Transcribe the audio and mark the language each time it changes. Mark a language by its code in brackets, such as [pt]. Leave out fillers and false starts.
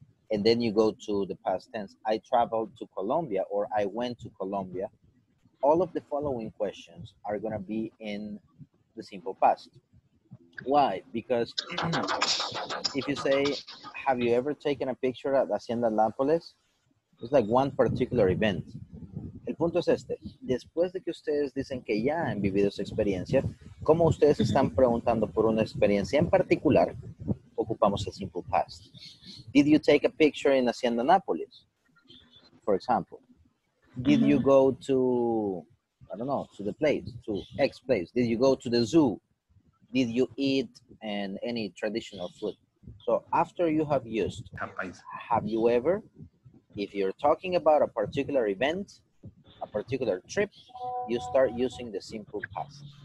[en] And then you go to the past tense. I traveled to Colombia or I went to Colombia. All of the following questions are going to be in the simple past. Why? Because if you say, have you ever taken a picture at Hacienda Lampoles? It's like one particular event. [es] El punto es este. Después de que ustedes dicen que ya han vivido esa experiencia, como ustedes están preguntando por una experiencia en particular, ocupamos el simple past. [en] Did you take a picture in Hacienda Nápoles? For example. Did you go to, I don't know, to the place, to X place? Did you go to the zoo? Did you eat and any traditional food? So after you have used, have you ever, if you're talking about a particular event, a particular trip, you start using the simple past.